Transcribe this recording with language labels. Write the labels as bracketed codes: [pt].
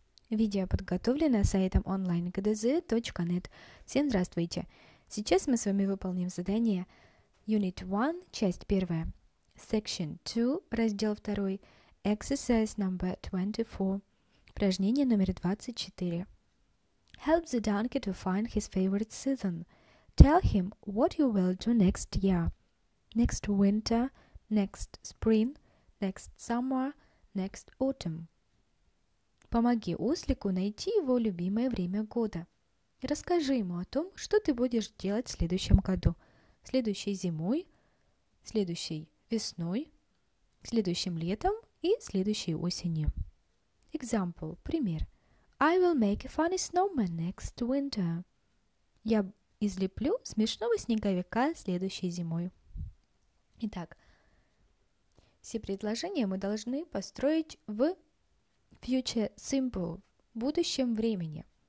[ru] Видео подготовлено сайтом online-gdz.net. Всем здравствуйте! Сейчас мы с вами выполним задание Unit 1, часть 1, Section 2, раздел 2, [en] Exercise number 24, [ru] упражнение номер 24. [en] Help the donkey to find his favorite season. Tell him what you will do next year. Next winter, next spring, next summer, next autumn. [ru] Помоги ослику найти его любимое время года. Расскажи ему о том, что ты будешь делать в следующем году, следующей зимой, следующей весной, следующим летом и следующей осенью. [en] Example, [ru] пример. [en] I will make a funny snowman next winter. [ru] Я излеплю смешного снеговика следующей зимой. Итак, все предложения мы должны построить в Future Simple, в будущем времени.